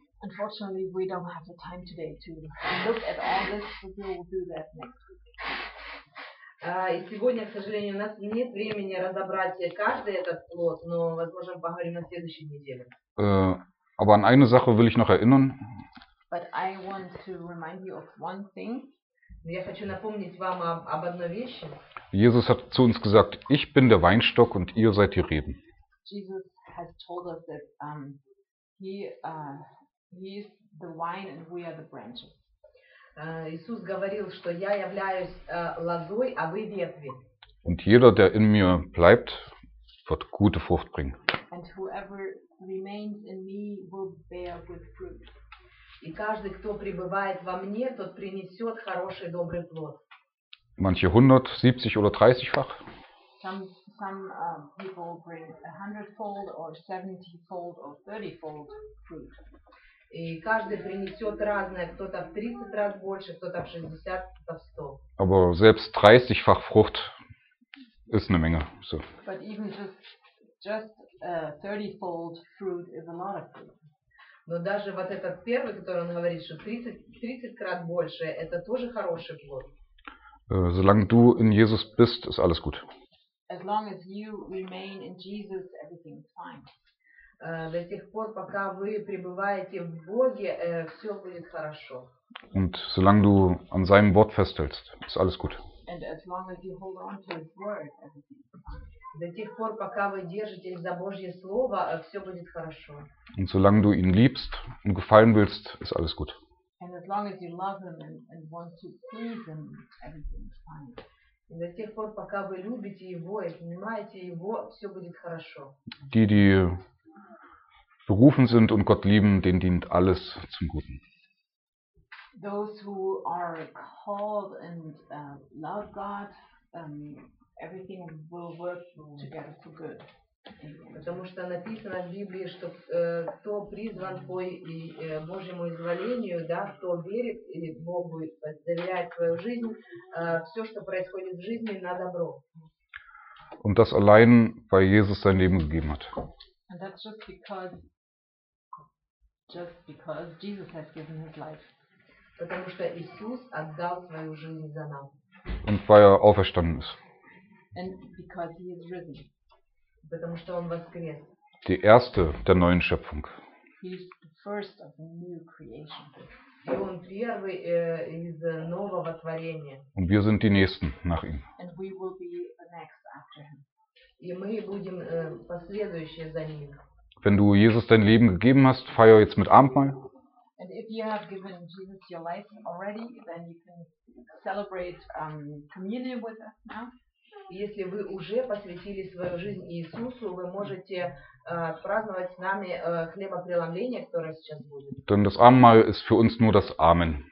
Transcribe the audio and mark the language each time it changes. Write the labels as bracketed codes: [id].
[en] Unfortunately, we don't have the time today to look at all this. We will do that next week. [ru] И сегодня, к сожалению, у нас нет времени разобрать каждый этот плод, но, возможно, поговорим на следующей неделе. [de] Aber an eine Sache will ich noch erinnern. [en] But I want to remind you of one thing. [ru] Я хочу напомнить вам об одной вещи. [de] Jesus hat zu uns gesagt, ich bin der Weinstock und ihr seid die Reben. [en] Jesus has told us that he is the vine and we are the branches. [ru] Иисус говорил, что я являюсь лозой, а вы ветви. [de] Und jeder, der in mir bleibt, wird gute Frucht bringen. [en] And whoever remains in me will bear good fruit. [ru] И каждый, кто пребывает во мне, тот принесет хороший, добрый плод. [de] Manche 100, 70 oder 30-fach. [en] Some people bring 100-fold or 70-fold or 30-fold fruit. [ru] И каждый принесет разное, кто-то в 30 раз больше, кто-то в 60, кто-то в 100. [de] Aber selbst 30-fach Frucht ist eine Menge. So. [en] But even just a 30-fold fruit is a lot of fruit. [ru] Но даже вот этот первый, который он говорит, что 30 крат больше, это тоже хороший плод. [de] Solange du in Jesus bist, ist alles gut. [en] As long as you remain in Jesus, everything is fine. [ru] До тех пор, пока вы пребываете в Боге, все будет хорошо. [de] Und solange du an seinem Wort festhältst, ist alles gut. [en] And as long as you hold on to his word, everything is fine. [ru] До тех пор, пока вы держитесь за Божье слово, все будет хорошо. [de] Und solange du ihn liebst und gefallen willst, ist alles gut. [en] And as long as you love him and want to please him, everything is fine. [ru] И до тех пор, пока вы любите его и понимаете его, все будет хорошо. [de] Die, die berufen sind und Gott lieben, denen dient alles zum Guten. [en] Those who are called and love God, everything will work together for good. [ru] Потому что написано в Библии, что кто призван по Божьему изволению, да, кто верит или Богу доверяет свою жизнь, все, что происходит в жизни, на добро. [de] Und das allein, weil Jesus sein Leben gegeben hat. [en] And that's just because Jesus has given his life. [ru] Потому что Иисус отдал свою жизнь за нас. [de] Und weil er auferstanden ist. [en] And because he is risen. [ru] Потому что он воскрес. [de] Die erste der neuen Schöpfung. [en] He is the first of the new creation. [ru] И он первый из нового творения. [de] Und wir sind die nächsten nach ihm. [en] And we will be the next after him. [ru] И мы будем последующие за ним. [de] Wenn du Jesus dein Leben gegeben hast, feier jetzt mit Abendmahl. [en] And if you have given Jesus your life already, then you can celebrate communion with us now. [ru] Если вы уже посвятили свою жизнь Иисусу, вы можете праздновать с нами хлебопреломление, которое сейчас будет. [de] Denn das Abendmahl ist für uns nur das Amen.